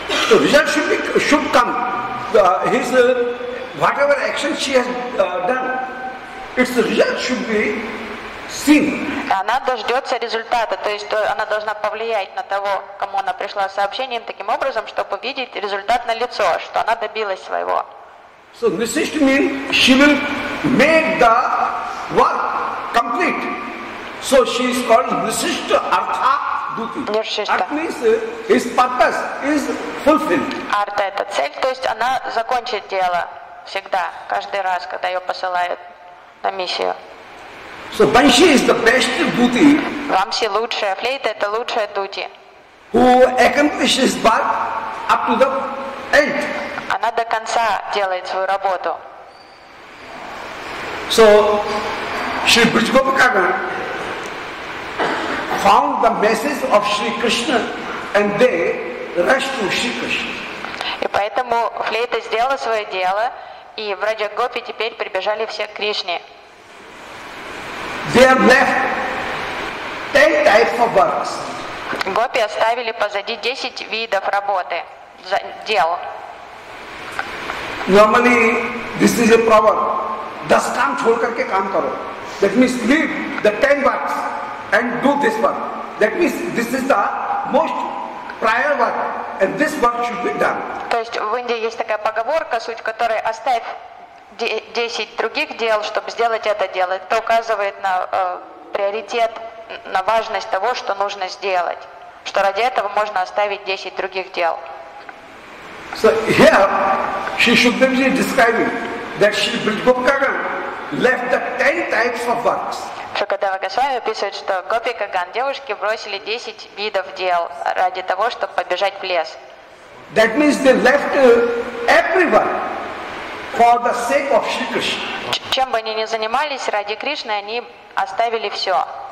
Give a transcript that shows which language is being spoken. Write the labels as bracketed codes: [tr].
[en] Result should come. His whatever action she has done, its result should be seen. [ru] Она дождется результата, то есть она должна повлиять на того, кому она пришла с сообщением, таким образом, чтобы видеть результат на лицо, что она добилась своего. [en] So this is to mean she will make the work complete. So she is called Nishishta Artha Duti. Nishishta. That means his purpose is fulfilled. [ru] Artha – это цель, то есть она закончит дело всегда, каждый раз, когда ее посылают на миссию. [en] So Banshee is the best duty. [ru] Ramsi – лучшая, флейта – это лучшая дути. [en] Who accomplishes work up to the end. [ru] Она до конца делает свою работу. [en] So, Shri Brijgopakarna found the message of Shri Krishna and they rushed to Shri Krishna. [ru] И поэтому флейта сделала свое дело, и в Раджа-гопи теперь прибежали все к Кришне. [en] They have left 10 types of works. [ru] Гопи оставили позади 10 видов работы, дел. [en] Normally, this is a proverb. [hi] Das kaam chhod karke kaam karo. [en] That means leave the 10 works and do this work. That means this is the most prior work and this work should be done. [ru] То есть в Индии есть такая поговорка, суть которой оставь 10 других дел, чтобы сделать это дело. Это указывает на приоритет, на важность того, что нужно сделать. Что ради этого можно оставить 10 других дел. [en] So here, she should be describing that Shri Brijgopakarna left the 10 types of works. [ru] Шукадева Госвами описывает, что Гопи Каган, девушки, бросили 10 видов дел ради того, чтобы побежать в лес. [en] That means they left everyone for the sake of Shri Krishna. [ru] Чем бы они ни занимались ради Кришны, они оставили все.